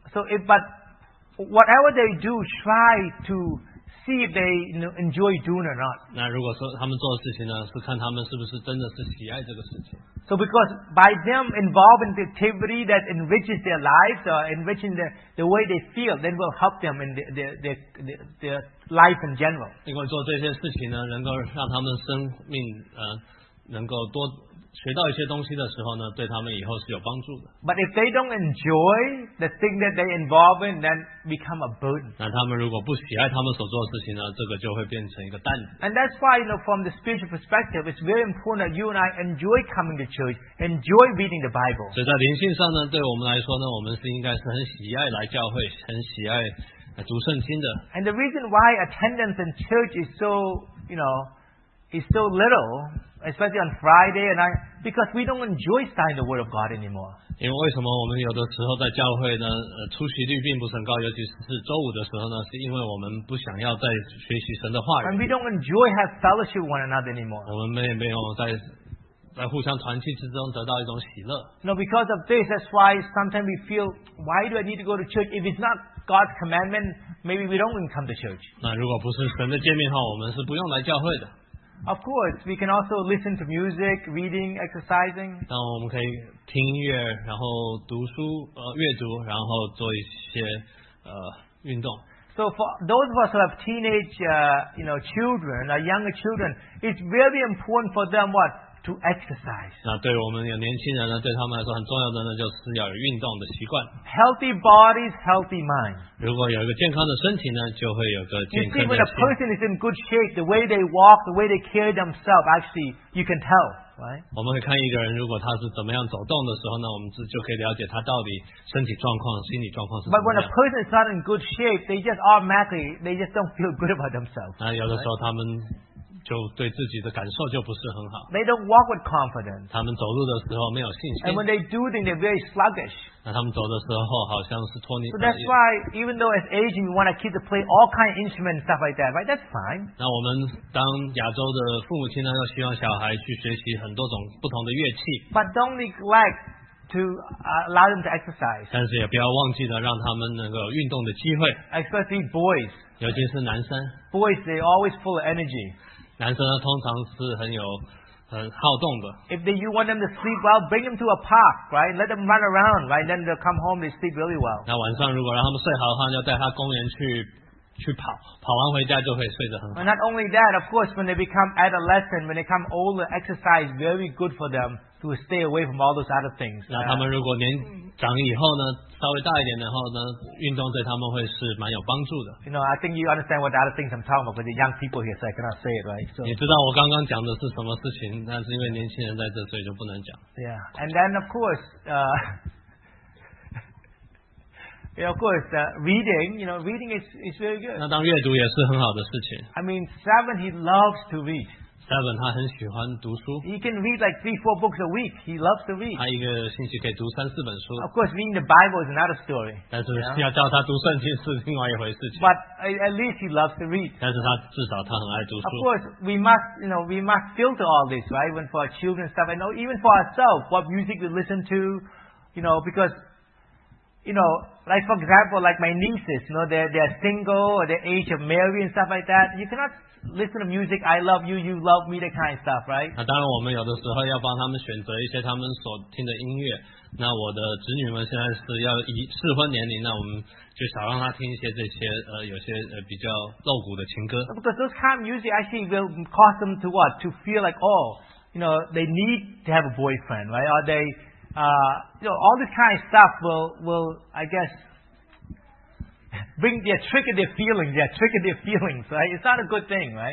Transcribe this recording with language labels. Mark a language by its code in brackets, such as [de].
[en] So if but whatever they do, try to see if they enjoy doing or not. [zh] 那如果说他们做的事情呢，是看他们是不是真的是喜爱这个事情。 [en] So because by them involving the activity that enriches their lives or enriching the way they feel, then will help them in their life in general. [zh] 因为做这些事情呢，能够让他们生命能够多。学到一些东西的时候呢，对他们以后是有帮助的。 [en] But if they don't enjoy the thing that they involve in, then become a burden. [zh] 那他们如果不喜爱他们所做的事情呢，这个就会变成一个担子。 [en] And that's why, you know, from the spiritual perspective, it's very important that you and I enjoy coming to church, enjoy reading the Bible. [zh] 所以在灵性上呢，对我们来说呢，我们是应该是很喜爱来教会，很喜爱来读圣经的。 [en] And the reason why attendance in church is so, you know, is so little. Especially on Friday and I, because we don't enjoy studying the Word of God anymore. [zh] 因为为什么我们有的时候在教会呢，出席率并不是很高，尤其是周五的时候呢，是因为我们不想要再学习神的话语。 [en] And we don't enjoy have fellowship with one another anymore. [zh] 我们没有在互相团契之中得到一种喜乐。 [en] No, because of this, that's why sometimes we feel, why do I need to go to church if it's not God's commandment? Maybe we don't even come to church. [zh] 那如果不是神的诫命的话，我们是不用来教会的。 [en] Of course, we can also listen to music, reading, exercising. [zh] 那我们可以听音乐，然后读书，阅读，然后做一些运动。 [en] So for those of us who have teenage, you know, children, or younger children, it's really important for them what to exercise. [zh] 那对我们有年轻人呢，对他们来说很重要的呢，就是要有运动的习惯。 [en] Healthy bodies, healthy minds. [zh] 如果有一个健康的身体呢，就会有个健康的心。 [en] You see, when a person is in good shape, the way they walk, the way they carry themselves, actually, you can tell, right? [zh] 我们会看一个人，如果他是怎么样走动的时候呢，我们就可以了解他到底身体状况、心理状况是怎么样。 [en] But when a person is not in good shape, they just automatically, they just don't feel good about themselves. [zh] 那有的时候他们。就对自己的感受就不是很好。 [en] They don't walk with confidence. [zh] 他们走路的时候没有信心。 [en] And when they do, then they're very sluggish. [zh] 那他们走的时候好像是拖泥。 [en] So that's why, even though as aging, you want a kid to play all kind of instruments and stuff like that, right? That's fine. [zh] 那我们当亚洲的父母亲呢，要希望小孩去学习很多种不同的乐器。 [en] But don't neglect to allow them to exercise. [zh] 但是也不要忘记了让他们能够有运动的机会。 [en] Especially boys. [zh] 尤其是男生。 [en] Boys, they always full of energy. [zh] 男生呢，通常是很好动的。 [en] If you want them to sleep well, bring them to a park, right? Let them run around, right? Then they'll come home, they sleep really well. [zh] 那晚上如果让他们睡好的话，就带他公园去跑，跑完回家就可以睡得很好。 [en] And not only that, of course, when they become adolescent, when they come older, exercise very good for them to stay away from all those other things. [zh] 那他们如果年长以后呢，稍微大一点的话呢，运动对他们会是蛮有帮助的。 [en] You know, I think you understand what the other things I'm talking about, but the young people here, so I cannot say it, right? So, [zh] 你知道我刚刚讲的是什么事情，但是因为年轻人在这，所以就不能讲。 [en] Yeah, and then of course, yeah, of course, reading, you know, reading is very good. [zh] 那当阅读也是很好的事情。 [en] I mean, Seven, he loves to read. [zh] Seven, 他很喜欢读书。 [en] He can read like 3-4 books a week. He loves to read. [zh] 他一个星期可以读3-4本书。 [en] Of course, reading the Bible is another story. [zh] 但是要叫他读圣经是另外一回事情。 [en] But at least he loves to read. [zh] 但是他至少他很爱读书。 [en] Of course, we must, you know, we must filter all this, right? Even for our children stuff, and even for ourselves, what music we listen to, you know, because, you know, like for example, like my nieces, you know, they're single or the age of marry and stuff like that. You cannot. Listen to music, I love you, you love me, that kind of stuff, right? [zh] 那当然，我们有的时候要帮他们选择一些他们所听的音乐。那我的侄女们现在是要适婚年龄，那我们就少让她听一些这些有些比较露骨的情歌。 [en] Because those kind of music actually will cause them to what? To feel like, oh, you know, they need to have a boyfriend, right? Or they, you know, all this kind of stuff will, I guess. Bring their trigger their feelings, yeah, trigger their feelings, right? It's not a good thing, right?